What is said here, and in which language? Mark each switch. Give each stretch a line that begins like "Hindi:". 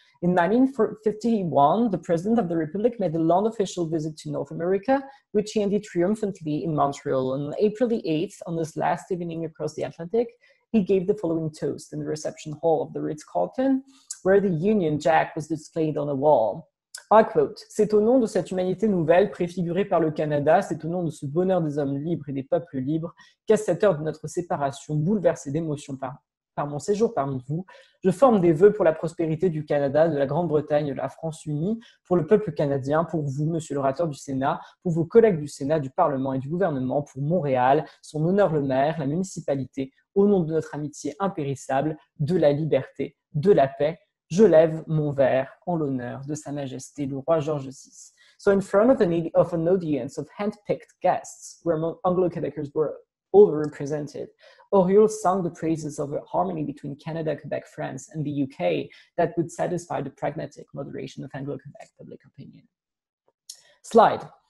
English: In 1951, the President of the Republic made a long official visit to North America, which he ended triumphantly in Montreal. On April the 8th, on his last evening across the Atlantic, he gave the following toast in the reception hall of the Ritz-Carlton, where the Union Jack was displayed on a wall. I quote,
French: "C'est au nom de cette humanité nouvelle préfigurée par le Canada, c'est au nom de ce bonheur des hommes libres et des peuples libres, qu'à cette heure de notre séparation bouleversée d'émotions par mon séjour parmi vous, je forme des vœux pour la prospérité du Canada, de la Grande-Bretagne, de la France unie, pour le peuple canadien, pour vous, monsieur l'orateur du Sénat, pour vos collègues du Sénat, du Parlement et du gouvernement, pour Montréal, son honneur le maire, la municipalité, au nom de notre amitié impérissable, de la liberté, de la paix, je lève mon verre en l'honneur de sa majesté, le roi George VI.
English: So in front of an audience of hand-picked guests, where Anglo-Quebecers were overrepresented, Auriol sung the praises of a harmony between Canada, Quebec, France, and the UK that would satisfy the pragmatic moderation of Anglo-Quebec public opinion. Slide.